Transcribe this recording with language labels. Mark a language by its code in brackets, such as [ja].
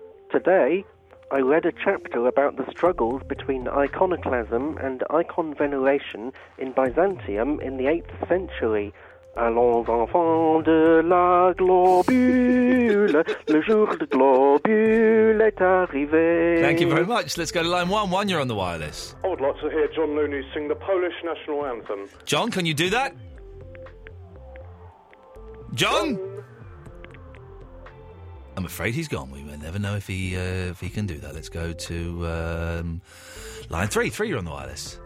[en] Today, I read a chapter about the struggles between iconoclasm and icon veneration in Byzantium in the 8th century. [fr] Allons enfants de la globule, le jour de globule est arrivé. [en] Thank you very much. Let's go to line 1-1. You're on the wireless. I would like to hear John Looney sing the Polish national anthem. John, can you do that? John? I'm afraid he's gone. We will never know if he can do that. Let's go to line 3. 3, you're on the wireless.